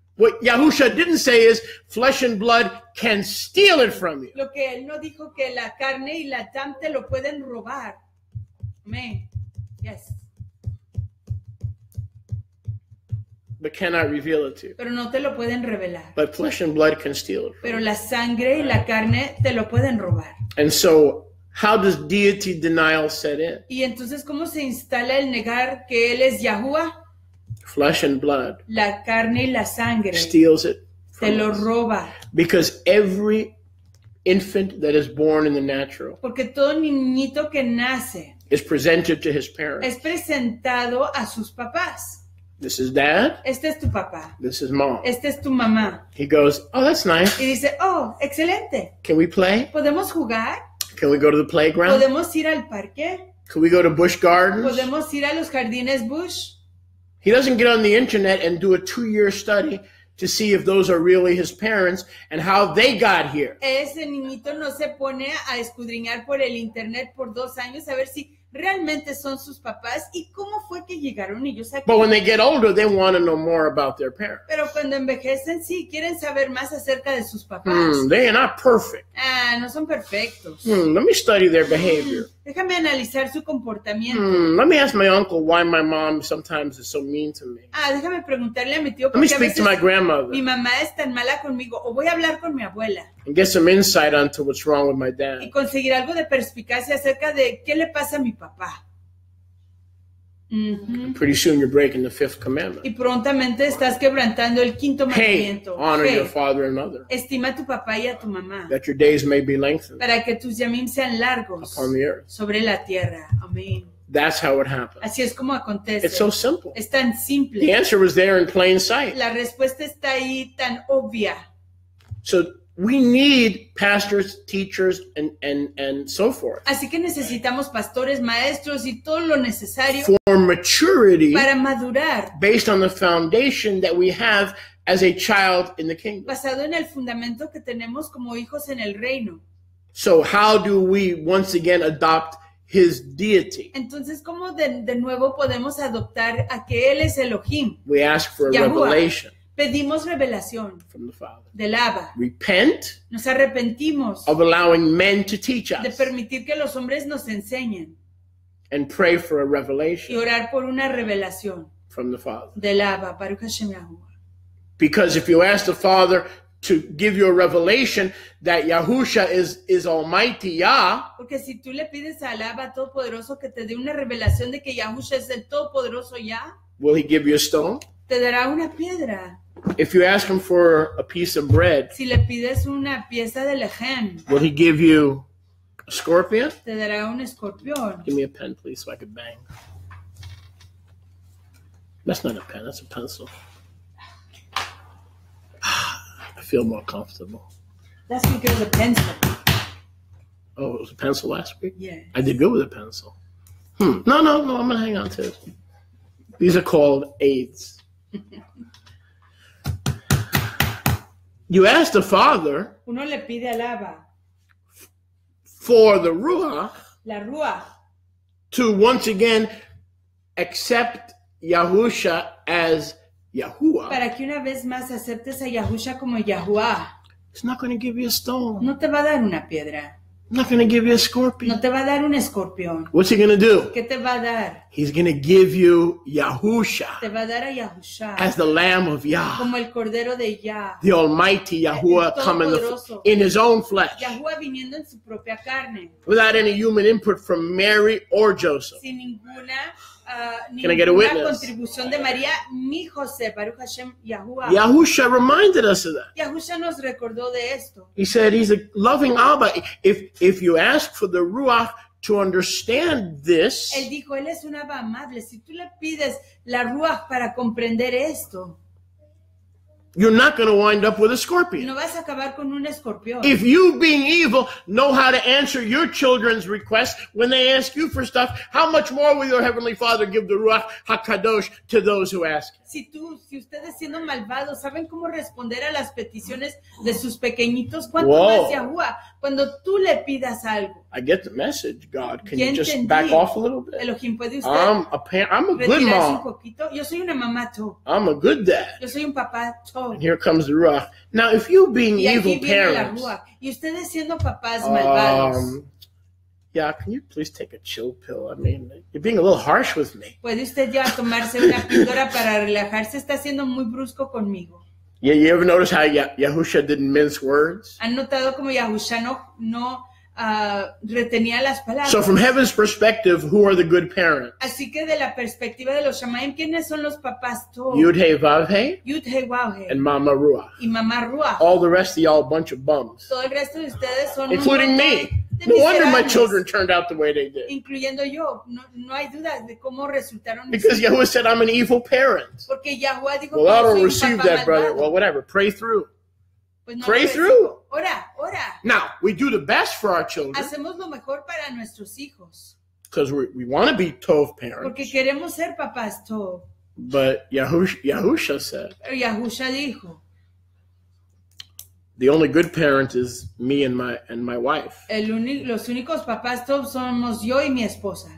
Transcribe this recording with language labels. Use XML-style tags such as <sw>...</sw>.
<en>What Yahusha didn't say is flesh and blood can steal it from you.</en> <es>Lo que él no dijo que la carne y la dam te lo pueden robar.</es> <en>Amen. Yes. But cannot reveal it to you.</en> <es>Pero no te lo pueden revelar.</es> <en>But flesh and blood can steal it.</en> <es>Pero la sangre y la carne te lo pueden robar.</es> <en>And so, how does deity denial set in?</en> <es>Y entonces, ¿cómo se instala el negar que él es Yahuwah?</es> <en>Flesh and blood.</en> <es>La carne y la sangre.</es> <en>Steals it.</en> <es>Te lo roba.</es> <en>Because every infant that is born in the natural.</en> <es>Porque todo niñito que nace.</es> <en>Is presented to his parents.</en> <es>Es presentado a sus papás.</es> <en>This is dad.</en> <es>Este es tu papá.</es> <en>This is mom.</en> <es>Este es tu mamá.</es> <en>He goes, oh, that's nice.</en> <es>Y dice, oh, excelente.</es> <en>Can we play?</en> <es>¿Podemos jugar?</es> <en>Can we go to the playground?</en> <es>¿Podemos ir al parque?</es> <en>Can we go to Busch Gardens?</en> <es>¿Podemos ir a los jardines Busch?</es> <en>He doesn't get on the internet and do a 2-year study to see if those are really his parents and how they got here.</en> <es>Ese niñito no se pone a escudriñar por el internet por dos años a ver si realmente son sus papás y cómo fue que llegaron ellos aquí.</es> <en>But when they get older, they want to know more about their parents.</en> <es>Pero cuando envejecen, sí, quieren saber más acerca de sus papás.</es> <en>They are not perfect.</en> <es>Ah, no son perfectos.</es> <en>Let me study their behavior.</en> <es>Déjame analizar su comportamiento.</es> <en>Let me ask my uncle why my mom sometimes is so mean to me.</en> <es>Ah, déjame preguntarle a mi tío.</es> <en>Let me speak to my grandmother.</en> <es>Mi mamá es tan mala conmigo. O voy a hablar con mi abuela.</es> <en>And get some insight onto what's wrong with my dad.</en> <es>Y conseguir algo de perspicacia acerca de qué le pasa a mi papá.</es> <en>Mm-hmm. Pretty soon you're breaking the fifth commandment.</en> <es>Y prontamente estás quebrantando el quinto mandamiento.</es> <en>Hey, honor your father and mother.</en> <es>Estima a tu papá y a tu mamá.</es> <en>That your days may be lengthened.</en> <es>Para que tus yamim sean largos.</es> <en>Upon the earth.</en> <es>Sobre la tierra. Amén.</es> <en>That's how it happens.</en> <es>Así es como acontece.</es> <en>It's so simple.</en> <es>Es tan simple.</es> <en>The answer was there in plain sight.</en> <es>La respuesta está ahí tan obvia.</es> <en>So we need pastors, teachers, and so forth.</en> <es>Así que necesitamos pastores, maestros y todo lo necesario</es> <en>for maturity</en> <es>para madurar</es> <en>based on the foundation that we have as a child in the kingdom.</en> <es>Basado en el fundamento que tenemos como hijos en el reino.</es> <en>So how do we once again adopt his deity?</en> <es>Entonces, ¿cómo de nuevo podemos adoptar a que él es Elohim?</es> <en>We ask for a Yahuwah. Revelation.</en> <es>Pedimos revelación</es> <en>from the Father.</en> <es>Del Abba.</es> <en>Repent.</en> <es>Nos arrepentimos</es> <en>of allowing men to teach us.</en> <es>De permitir que los hombres nos enseñen.</es> <en>And pray for a revelation.</en> <es>Y orar por una revelación</es> <en>from the Father.</en> <es>Del Abba.</es> <he>Baruch Hashem Yahuwah.</he> <en>Because if you ask the Father to give you a revelation that Yahusha is Almighty Yah.</en> <es>Porque si tú le pides al Abba Todopoderoso que te dé una revelación de que Yahusha es el Todopoderoso Yah.</es> <en>Will he give you a stone?</en> <es>Te dará una piedra.</es> <en>If you ask him for a piece of bread,</en> <es>si le pides una pieza de lejem,</es> <en>will he give you a scorpion?</en> <es>Te dará un escorpión.</es> <en>Give me a pen, please, so I can bang. That's not a pen, that's a pencil. I feel more comfortable. Last week it was a pencil. Oh, it was a pencil last week? Yeah. I did good with a pencil. No, I'm going to hang on to it. These are called aids. You ask the Father</en> <es>uno le pide al Abba</es> <en>for the Ruach,</en> <es>la Ruach</es> <en>to once again accept Yahusha as Yahuwah.</en> <es>Para que una vez más aceptes a Yahusha como Yahuwah.</es> <en>It's not going to give you a stone.</en> <es>No te va a dar una piedra.</es> <en>I'm not going to give you a scorpion.</en> <es>No te va a dar un escorpión.</es> <en>What's he going to do?</en> <es>¿Qué te va a dar?</es> <en>He's going to give you Yahusha.</en> <es>Te va a dar a Yahusha.</es> <en>As the Lamb of Yah.</en> <es>Como el Cordero de Yah.</es> <en>The Almighty Yahuwah coming in his own flesh.</en> <es>Yahuwah viniendo en su propia carne.</es> <en>Without any human input from Mary or Joseph.</en> <es>Sin ninguna,</es> <en>can I get a witness?</en> <es>Contribución de María ni José.</es> <he>Baruch Hashem, Yahuwah.</he> <en>Yahusha reminded us of that.</en> <es>Yahusha nos recordó de esto.</es> <en>He said he's a loving Abba. If you ask for the Ruach to understand this,</en> <es>él dijo, él es un Abba amable. Si tú le pides la Ruach para comprender esto,</es> <en>you're not going to wind up with a scorpion.</en> <es>No vas a acabar con un escorpión.</es> <en>If you, being evil, know how to answer your children's requests when they ask you for stuff, how much more will your heavenly Father give the Ruach HaKadosh to those who ask?</en> <es>Si ustedes siendo malvados saben cómo responder a las peticiones de sus pequeñitos, ¿cuánto más Yahuwah cuando tú le pidas algo?</es> <en>I get the message, God. Can you just back off a little bit?</en> <es>Elohim, ¿puede usted?</es> <en>I'm a good mom.</en> <es>Yo soy una mamá to.</es> <en>I'm a good dad.</en> <es>Yo soy un papá to.</es> <en>And here comes the Ruach. Now, if you being evil parents,</en> <es>y ustedes siendo papás malvados.</es> <en>Yeah, can you please take a chill pill? I mean, you're being a little harsh with me.</en> <es>¿Puede usted ya tomarse una píldora para relajarse? Está siendo muy brusco conmigo.</es> <en>Yeah, you ever notice how Yahusha didn't mince words?</en> <es>¿Han notado como Yahusha no retenía las palabras?</es> <en>So from heaven's perspective, who are the good parents?</en> <es>Así que de la perspectiva de los Shamayim, ¿quiénes son los papás todos?</es> <en>Yud-Heh-Vav-Heh. And Mama Ruach.</en> <es>Y Mama Ruach.</es> <en>All the rest of y'all a bunch of bums.</en> <es>Todo el resto de ustedes son</es> <en>including me. No wonder my children turned out the way they did.</en> <es>Incluyendo yo, no hay duda de cómo resultaron.</es> <en>Because Yahuwah said I'm an evil parent.</en> <es>Porque Yahuwah dijo,</es> <en>well, I don't receive that, brother. Well, whatever. Pray through.</en> <es>Pues no</es> <en>pray through.</en> <es>Ora, ora.</es> <en>Now, we do the best for our children.</en> <es>Hacemos lo mejor para nuestros hijos.</es> <en>Because we want to be Tov parents.</en> <es>Porque queremos ser papás Tov.</es> <en>But Yahusha said.</en> <es>Pero Yahusha dijo.</es> <en>The only good parent is me and my wife.</en> <es>El los únicos papás todos somos yo y mi esposa.</es>